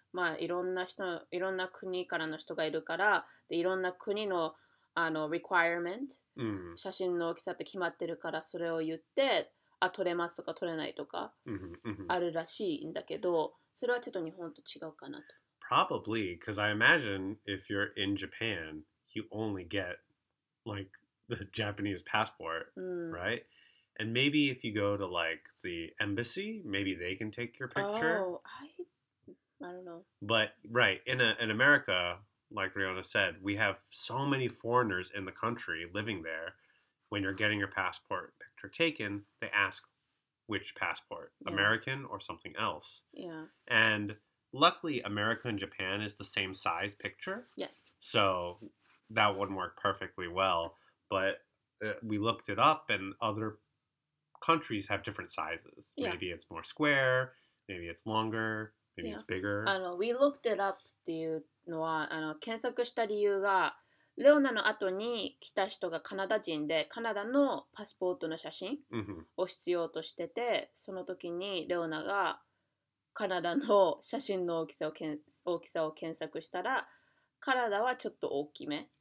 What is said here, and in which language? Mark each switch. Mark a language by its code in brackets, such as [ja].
[ja] まあ、いろんな人、いろんな国からの人がいるから、で、いろんな国の、あの、requirement、 mm-hmm. 写真の大きさって決まってるから、それを言って、あ、撮れますとか撮れないとか、あるらしいんだけど、それはちょっと日本と違うかなと。 [en] Probably, because I imagine if you're in Japan, you only get, like, the Japanese passport,、 mm-hmm. right? And maybe if you go to, like, the embassy, maybe they can take your picture. Oh, I don't know. But, right, in America, like Riona said, we have so many foreigners in the country living there. When you're getting your passport picture taken, they ask, which passport, yeah. American or something else. Yeah. And luckily, America and Japan is the same size picture. Yes. So that wouldn't work perfectly well. But we looked it up, and other countries have different sizes. Yeah. Maybe it's more square, maybe it's longer, maybe yeah. it's bigger. We looked it up. [ja] っていうのは検索した理由が、レオナの後に来た人がカナダ人で、カナダのパスポートの写真を必要としてて、その時にレオナがカナダの写真の大きさを検索したら、カナダはちょっと大きめ、